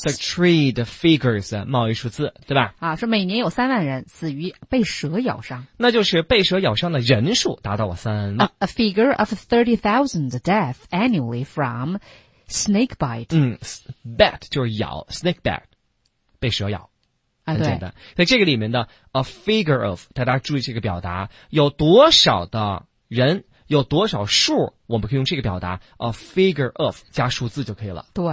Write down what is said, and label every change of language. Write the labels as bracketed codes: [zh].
[en] the trade figures， [zh] 贸易数字，对吧？啊，说每年有30,000人死于被蛇咬伤。那就是被蛇咬伤的人数达到30,000。 [en] a figure of 30,000 death annually from snake bite。 [zh] 嗯 ，bat 就是咬 ，snake bat， 被蛇咬。很简单。啊，在这个里面的 [en] a figure of， [zh] 大家注意这个表达，有多少的人？有多少数，我们可以用这个表达 [en] a figure of [zh] 加数字就可以了。